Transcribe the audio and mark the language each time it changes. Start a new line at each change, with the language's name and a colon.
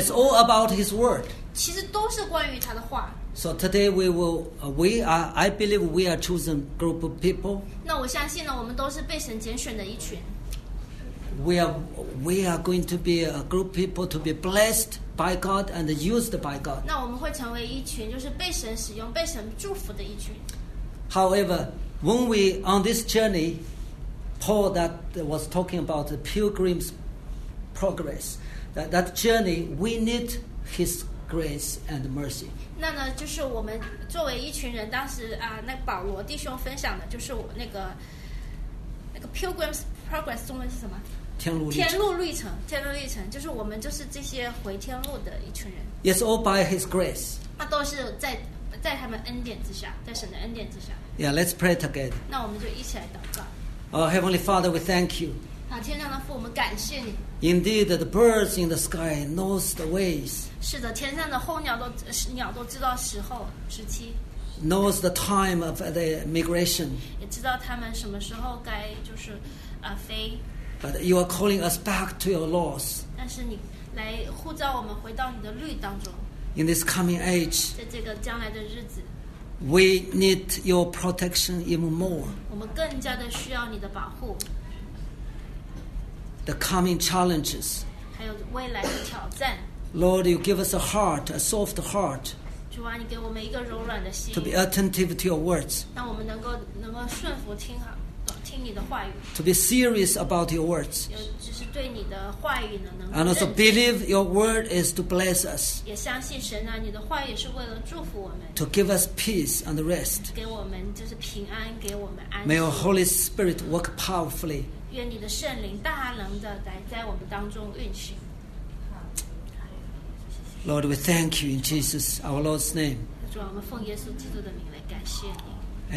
English: It's all about His word.
Chinese: 其实都是关于他的话。
English: So today we will, we are, I believe we are chosen group of people.
Chinese: 那我相信呢，我们都是被神拣选的一群。
English: We are going to be a group of people to be blessed by God and used by God.
Chinese: 那我们会成为一群，就是被神使用、被神祝福的一群。
English: However, when we on this journey, Paul that was talking about the pilgrim's progress, that journey, we need his grace and mercy.
Chinese: 那呢，就是我们作为一群人，当时啊，那保罗弟兄分享的，就是我那个 Pilgrim's Progress 中文是什么？天路历程，就是我们就是这些回天路的一群人。
English: Yes, all by His grace.
Chinese: 那都是在他们恩典之下，在神的恩典之下。
English: Yeah, let's pray together.
Chinese: 那我们就一起来祷告。
English: Oh, Heavenly Father, we thank you.
Chinese: 好，天上的父，我们感谢你。
English: Indeed, the birds in the sky knows the ways.
Chinese: 是的，天上的候鸟都知道时期。
English: Knows the time of the migration.
Chinese: 也知道他们什么时候该就是飞。
English: But you are calling us back to your laws.
Chinese: 但是你来呼召我们回到你的律当中。
English: In this coming age.
Chinese: 在这个将来的日子。
English: We need your protection even more.
Chinese: 我们更加的需要你的保护。
English: The coming challenges.
Chinese: 还有未来的挑战。
English: Lord, you give us a heart, a soft heart,
Chinese: 主啊，你给我们一个柔软的心
English: to be attentive to your words,
Chinese: 让我们能够顺服听你的话语
English: to be serious about your words,
Chinese: 就是对你的话语呢能
English: and also believe your word is to bless us,
Chinese: 也相信神啊，你的话语是为了祝福我们
English: to give us peace and rest,
Chinese: 给我们就是平安，给我们安息
English: May your Holy Spirit work powerfully,
Chinese: 愿你的圣灵大能的在我们当中运行。
English: Lord, we thank you in Jesus, our Lord's name.
Chinese: 主啊，我们奉耶稣基督的名来感谢你。